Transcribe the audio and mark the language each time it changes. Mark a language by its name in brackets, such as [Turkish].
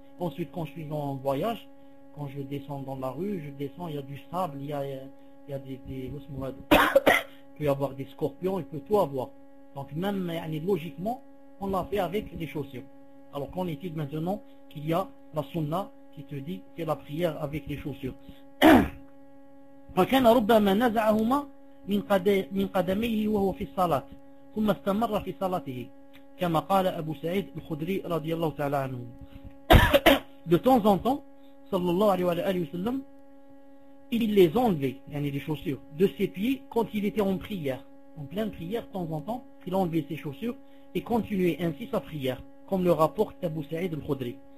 [French] Ensuite, quand je suis en voyage, quand je descends dans la rue, je descends, il y a du sable, il y a des peut y avoir des scorpions, il peut tout avoir. Donc même logiquement, on l'a fait avec les chaussures. Alors qu'en est-il maintenant qu'il y a la sunna qui te dit que la prière avec les chaussures. [Arabic] فكان ربما نزعهما من قدميه وهو في الصلاة ثم استمر في صلاته كما قال أبو سعيد الخدري رضي الله تعالى عنه. [French] De temps en temps, sallallahu alayhi wa sallam, il les enlevait, yani les chaussures, de ses pieds quand il était en prière. En pleine prière, de temps en temps, il enlevait ses chaussures et continuait ainsi sa prière, comme le rapporte Abu Sa'id al-Khudri.